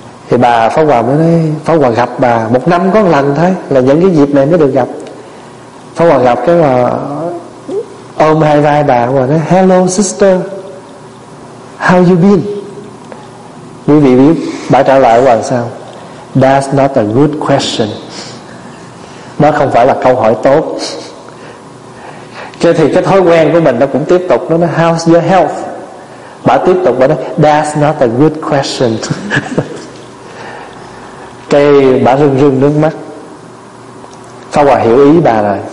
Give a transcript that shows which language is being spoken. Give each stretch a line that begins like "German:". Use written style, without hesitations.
Vietnamese: Thì bà Pháp Hòa mới nói, Pháp Hòa gặp bà một năm có một lần thôi, là những cái dịp này mới được gặp. Pháp Hòa gặp cái là ôm hai vai bà và nói,
English: hello sister, how you been?
Vietnamese: Quý vị biết bà trả lời là sao?
English: That's not a good question.
Vietnamese: Nó không phải là câu hỏi tốt. Cho thì cái thói quen của mình nó cũng tiếp tục. Nó nói,
English: how's your health?
Vietnamese: Bà tiếp tục, bà nói,
English: that's not a good question.
Vietnamese: Cái bà rưng rưng nước mắt. Pháp Hòa hiểu ý bà rồi.